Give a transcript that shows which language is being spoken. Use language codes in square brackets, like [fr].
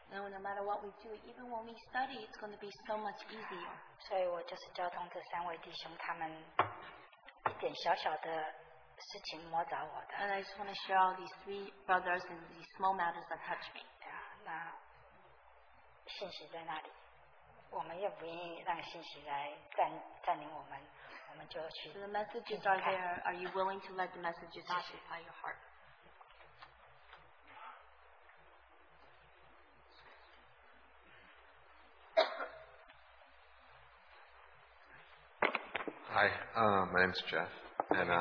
[en] No matter what we do, even when we study, it's going to be so much easier. [zh] 所以我就是交通这三位弟兄他们一点小小的事情摸着我的。 [en] And I just want to share all these three brothers and these small matters that touch me. [zh] 信息在那里，我们愿不愿意让信息来占领我们？ [en] So the messages are there. Are you willing to let the messages occupy your heart? Hi, my name is Jeff, and